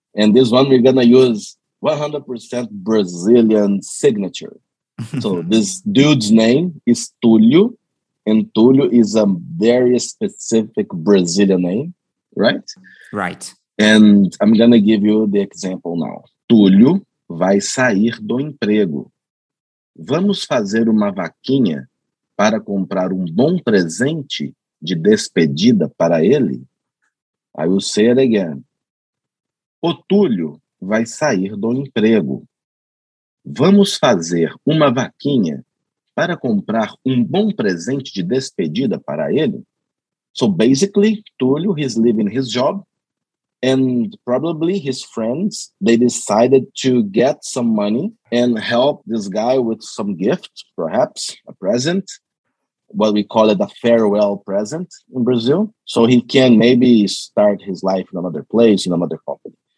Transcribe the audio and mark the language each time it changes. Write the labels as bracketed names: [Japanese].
[English] And this one, we're going to use 100% Brazilian signature. So this dude's name is Túlio. And Túlio is a very specific Brazilian name, right? Right. And I'm going to give you the example now. [Portuguese] Túlio vai sair do emprego. Vamos fazer uma vaquinha para comprar bom presente de despedida para ele? [English] I will say it again. [Portuguese] O Túlio vai sair do emprego. Vamos fazer uma vaquinha para comprar bom presente de despedida para ele. [English] So basically, Túlio, he's leaving his job, and probably his friends, they decided to get some money and help this guy with some gift, perhaps a present, what we call it, a farewell present in Brazil. So he can maybe start his life in another place, in another company.